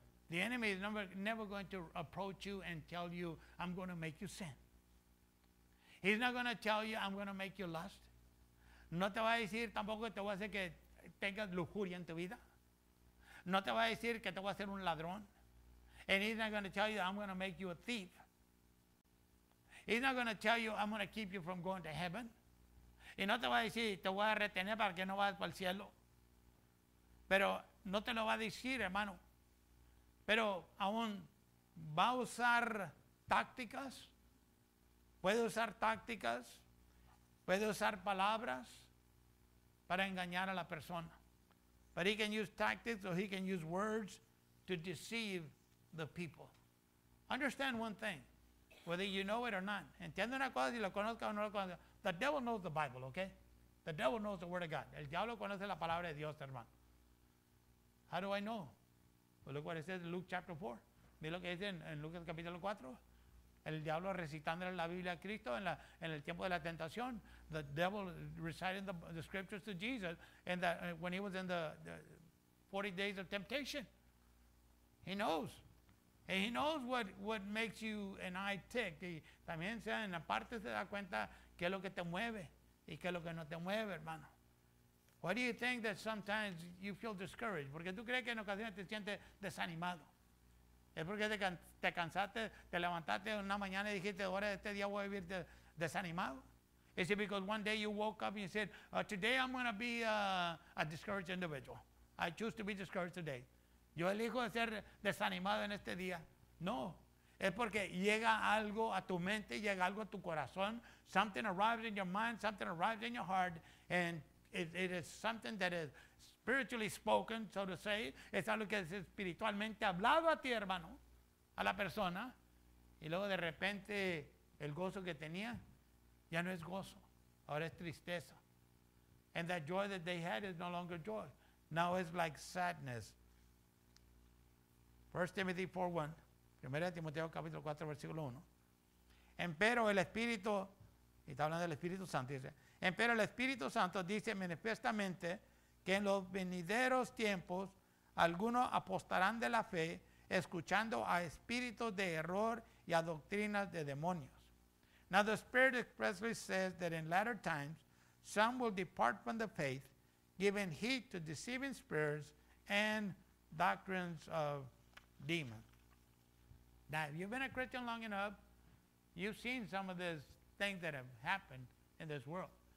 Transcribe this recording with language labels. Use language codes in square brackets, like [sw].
[en] The enemy is never going to approach you and tell you, I'm going to make you sin. He's not going to tell you, I'm going to make you lust. [es] No te va a decir tampoco que te va a hacer que tengas lujuria en tu vida. No te va a decir que te va a hacer un ladrón. [en] And he's not going to tell you, I'm going to make you a thief. He's not going to tell you, I'm going to keep you from going to heaven. [es] Y no te va a decir, te voy a retener para que no vayas para el cielo. Pero no te lo va a decir, hermano. Pero aún va a usar tácticas. Puede usar tácticas. Puede usar palabras para engañar a la persona. [en] But he can use tactics or he can use words to deceive the people. Understand one thing, whether you know it or not. [es] Entiende una cosa, si lo conozca o no lo conozca. [en] The devil knows the Bible, okay? The devil knows the word of God. [es] El diablo conoce la palabra de Dios, hermano. [en] How do I know? Well, look what it says in Luke chapter 4. [es] Mira lo que dice en Lucas capítulo 4. El diablo recitando la Biblia a Cristo en el tiempo de la tentación. [en] The devil reciting the scriptures to Jesus when he was in the 40 days of temptation. He knows. And he knows what makes you and I tick. [es] Y también sea en la parte se da cuenta qué es lo que te mueve y qué es lo que no te mueve, hermano. [en] Why do you think that sometimes you feel discouraged? [es] Porque tú crees que en ocasiones te sientes desanimado. Es porque te cansaste, te levantaste una mañana y dijiste, ahora este día voy a vivir desanimado. [en] Is it because one day you woke up and you said, today I'm going to be a discouraged individual. I choose to be discouraged today. [es] Yo elijo de ser desanimado en este día. No. Es porque llega algo a tu mente, llega algo a tu corazón. [en] Something arrives in your mind, something arrives in your heart, and it is something that is spiritually spoken, so to say. [es] Es algo que es espiritualmente hablado a ti, hermano, a la persona. Y luego de repente el gozo que tenía ya no es gozo. Ahora es tristeza. [en] And that joy that they had is no longer joy. Now it's like sadness. 1 Timothy 4:1. [es] 1 Timoteo capítulo 4, versículo 1. Empero el Espíritu, y está hablando del Espíritu Santo, dice, empero el Espíritu Santo dice manifiestamente que en los venideros tiempos algunos apostarán de la fe escuchando a espíritus de error y a doctrinas de demonios. [en] Now the Spirit expressly says that in latter times some will depart from the faith, giving heed to deceiving spirits and doctrines of demons. Now, if you've been a Christian long enough, you've seen some of these things that have happened in this world.